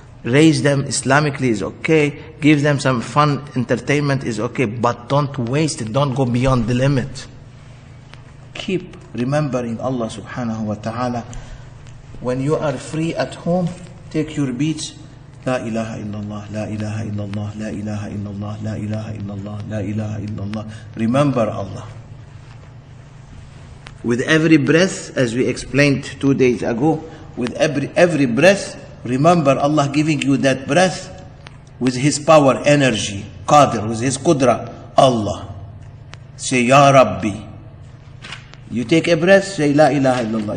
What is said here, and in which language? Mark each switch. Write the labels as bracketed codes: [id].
[en] Raise them Islamically is okay. Give them some fun entertainment is okay. But don't waste it. Don't go beyond the limit. Keep remembering Allah subhanahu wa ta'ala. When you are free at home, take your beats. [ar] لا إله إلا الله لا إله إلا الله لا إله إلا الله لا إله إلا الله لا إله إلا الله. [en] Remember Allah. With every breath, as we explained 2 days ago, with every breath, remember Allah giving you that breath with His power, energy, Qadir, with His Qudra, Allah. Say, Ya Rabbi. You take a breath, say La ilaha illallah.